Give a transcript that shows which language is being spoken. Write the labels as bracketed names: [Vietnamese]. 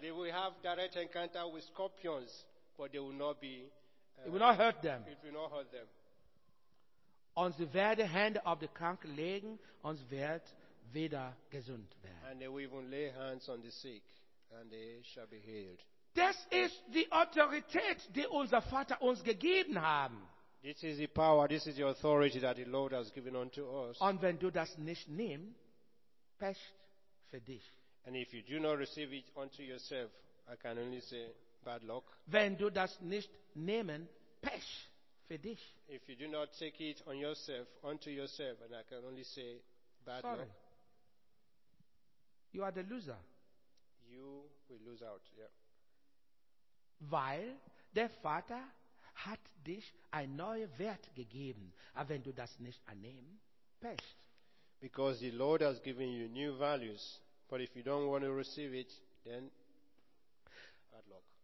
[English] They will have direct encounter with scorpions, but they will not be. It will not hurt them. It will not hurt them. [German] Und sie werden Hände auf die Kranken legen und sie wird wieder gesund werden. [English] And they will even lay hands on the sick, and they shall be healed. [German] Das ist die Autorität, die unser Vater uns gegeben haben. [English] This is the power, this is the authority that the Lord has given unto us. [German] Und wenn du das nicht nimmst, pecht für dich. [English] And if you do not receive it unto yourself, I can only say bad luck. [German] Wenn du das nicht nehmen, pech für dich. [English] If you do not take it on yourself, unto yourself, and I can only say bad Sorry. Luck. You are the loser. You will lose out, yeah. [German] Weil der Vater hat dich ein neuer Wert gegeben. Aber wenn du das nicht annehmen, pech. [English] Because the Lord has given you new values. But if you don't want to receive it, then bad luck.